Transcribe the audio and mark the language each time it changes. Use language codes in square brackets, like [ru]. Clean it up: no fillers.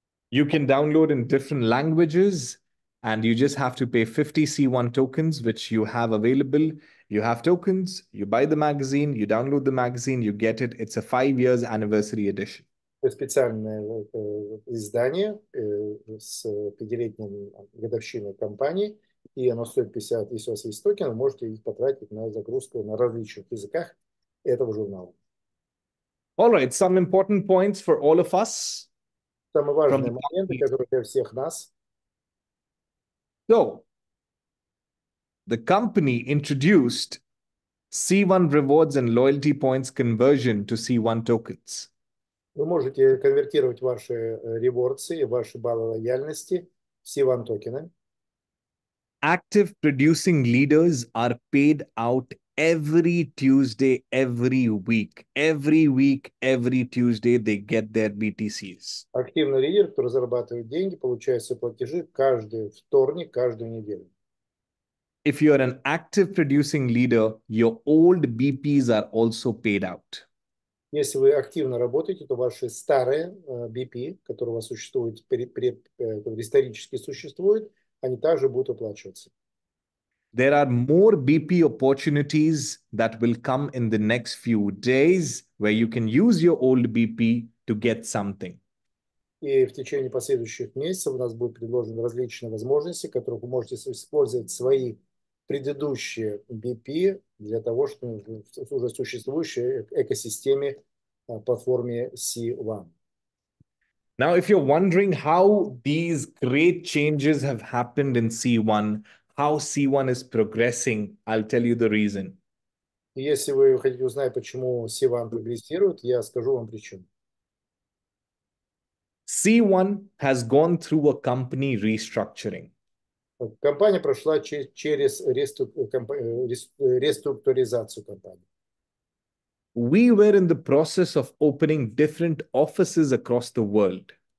[en] You can download in different languages, and you just have to pay 50 C1 tokens, which you have available. You have tokens, you buy the magazine, you download the magazine, you get it. It's a 5 years anniversary edition. [ru] Это специальное издание с пятилетним годовщиной компании, и оно стоит 50. Если у вас есть токен, вы можете их потратить на загрузку на различных языках этого журнала. [en] All right, some important points for all of us. [ru] Самые важные моменты, которые для всех нас. [en] So, the company introduced C1 rewards and loyalty points conversion to C1 tokens. [ru] Вы можете конвертировать ваши ревордсы и ваши баллы лояльности в C1 токены. [en] Active producing leaders are paid out every Tuesday, every week. Every week, every Tuesday, they get their BTCs. [ru] Активный лидер, кто разрабатывает деньги, получает свои платежи каждый вторник, каждую неделю. [en] If you are an active producing leader, your old BPs are also paid out. [ru] Если вы активно работаете, то ваши старые BP, которые у вас существуют, исторически существуют, они также будут оплачиваться. [en] There are more BP opportunities that will come in the next few days where you can use your old BP to get something. [ru] И в течение последующих месяцев у нас будут предложены различные возможности, которые вы можете использовать свои предыдущие BP для того, чтобы в уже существующей экосистеме, платформе C1. [en] Now, if you're wondering how these great changes have happened in C1, how C1 is progressing, I'll tell you the reason. [ru] Если вы хотите узнать, почему C1 прогрессирует, я скажу вам причину. [en] C1 has gone through a company restructuring. [ru] Компания прошла через реструктуризацию компании. [en] We were in the process of opening different offices across the world.